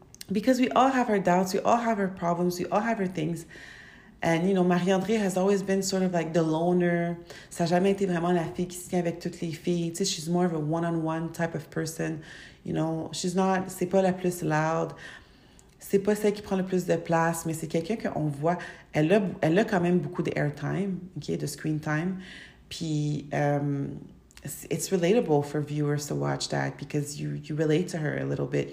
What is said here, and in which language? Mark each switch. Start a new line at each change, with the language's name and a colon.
English: because we all have our doubts, we all have our problems, we all have our things. And, you know, Marie-André has always been sort of like the loner.
French: Ça n'a jamais été vraiment la fille qui se tient avec toutes les filles. Tu sais,
English: she's more of a one-on-one type of person. You know, she's not,
French: c'est pas la plus loud. C'est pas celle qui prend le plus de place, mais c'est quelqu'un qu'on voit. Elle a quand même beaucoup de airtime, okay, de screen time.
English: Puis, it's relatable for viewers to watch that because you relate to her a little bit.